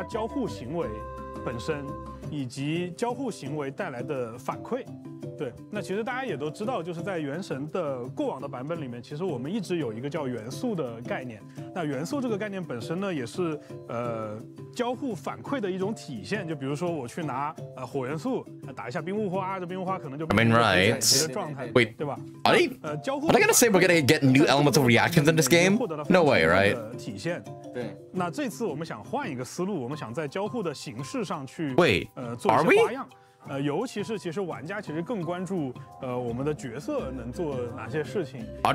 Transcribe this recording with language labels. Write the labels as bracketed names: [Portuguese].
[Chinese] 我先说一个比较大的概念啊，就是原神它其实是一个开放世界游戏，当然这个大家都知道，对吧？但在我们的理解里面，其实开放设计游戏它更关注的两条，一个是关于玩家交互行为本身。以及交互行为带来的反馈，对，那其实大家也都知道，就是在原神的过往的版本里面，其实我们一直有一个叫元素的概念。那元素这个概念本身呢，也是交互反馈的一种体现。就比如说我去拿火元素打一下冰雾花，这冰雾花可能就 [English] I mean right. Wait, are they gonna say we're gonna get new elements of reactions in this game? No way, right? [Chinese] 体现。对，那这次我们想换一个思路，我们想在交互的形式上去做花样，尤其是其实玩家其实更关注我们的角色能做哪些事情。Are